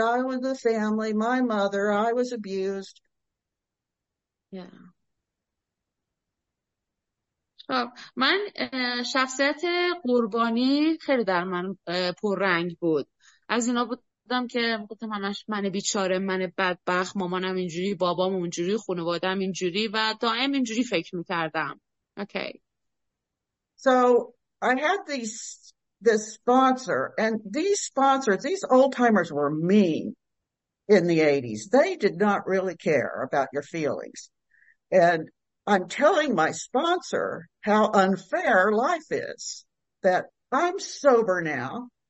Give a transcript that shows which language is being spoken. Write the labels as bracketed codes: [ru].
[en] I was a family, my mother, I was abused. [fa] من شخصیت قربانی خیلی در من پررنگ بود. از اینا بودم که گفتم همش من بیچاره، من بدبخت، مامانم اینجوری، بابام اونجوری، خانواده‌ام اینجوری و دائم اینجوری فکر می‌کردم. [en] Okay. So I had this sponsor, and these sponsors, these old timers were mean in the 80s. They did not really care about your feelings. And I'm telling my sponsor how unfair life is, that I'm sober now.